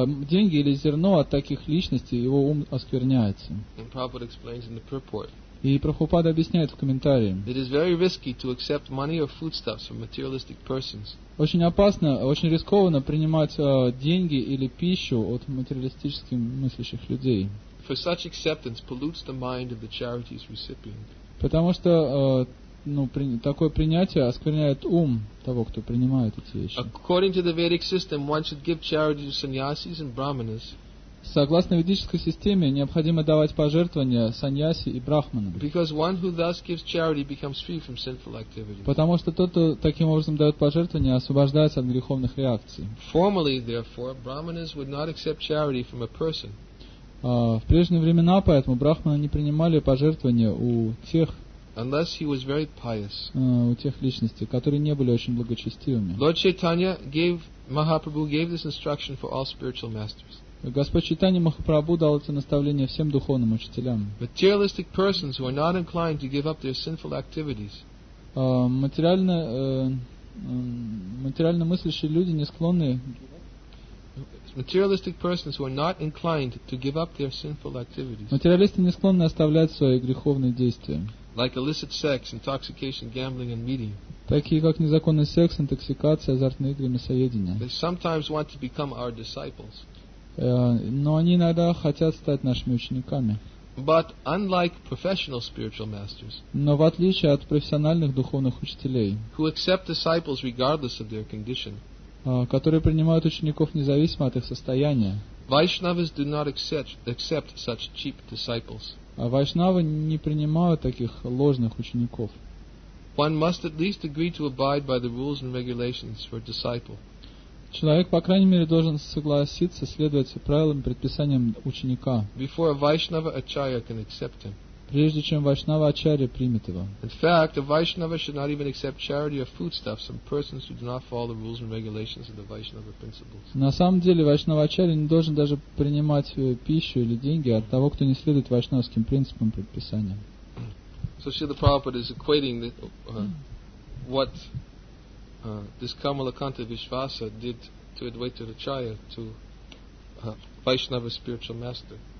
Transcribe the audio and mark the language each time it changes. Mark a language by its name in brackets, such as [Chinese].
[Russian] деньги или зерно от таких личностей, его ум оскверняется. [English] And Prabhupada explains in the purport. [Russian] И Прабхупада объясняет в комментарии. [English] It is very risky to accept money or foodstuffs from materialistic persons. [Russian] Очень опасно, очень рискованно принимать деньги или пищу от материалистически мыслящих людей. [English] For such acceptance pollutes the mind of the charity's recipient. [Russian] Потому что такое принятие оскверняет ум того, кто принимает эти вещи. [English] According to the Vedic system, one should give charity to sannyasis and brahmanas. [Russian] Согласно ведической системе, необходимо давать пожертвования саньяси и брахманам. [English] Because one who thus gives charity becomes free from sinful activity. [Russian] Потому что тот, кто таким образом дает пожертвования, освобождается от греховных реакций. [English] Formerly, therefore, brahmanas would not accept charity from a person. [Russian] В прежние времена, поэтому, брахманы не принимали пожертвования у тех, [English] unless he was very pious. [Russian] У тех личностей, которые не были очень благочестивыми. [English] Lord Chaitanya gave, Mahaprabhu gave this instruction for all spiritual masters. [Russian] Господь Чайтанья Махапрабху дал это наставление всем духовным учителям. [English] Materialistic persons who are not inclined to give up their sinful activities. [Russian] Материально мыслящие люди не склонны. [English] Materialistic persons who are not inclined to give up their sinful activities. [Russian] Материалисты не склонны оставлять свои греховные действия. [English] Like illicit sex, intoxication, gambling, and meeting. [Russian] Такие как незаконный секс, интоксикация, азартные игры, мясоедение. [English] They sometimes want to become our disciples. [Russian] Но они иногда хотят стать нашими учениками. [English] But unlike professional spiritual masters, [Russian] но в отличие от профессиональных духовных учителей, [English] who accept disciples regardless of their condition, [Russian] которые принимают учеников независимо от их состояния, [English] Vaishnavas do not accept such cheap disciples. [Russian] Вайшнавы не принимают таких ложных учеников. [English] One must at least agree to abide by the rules and regulations for a disciple. [Russian] Человек, по крайней мере, должен согласиться следовать правилам и предписаниям ученика. [English] Before a Vaishnava Acharya can accept him. [Russian] Прежде чем Вайшнава Ачарья примет его. [English] In fact, a Vaishnava should not even accept charity or foodstuffs from persons who do not follow the rules and regulations of the Vaishnava principles. [Russian] На самом деле, Вайшнава Ачарья не должен даже принимать пищу или деньги от того, кто не следует вайшнавским принципам и предписаниям. [English] So Srila Prabhupada is equating the, what this Kamalakanta Vishvasa did to Advaita Acharya to Vaishnava's spiritual master.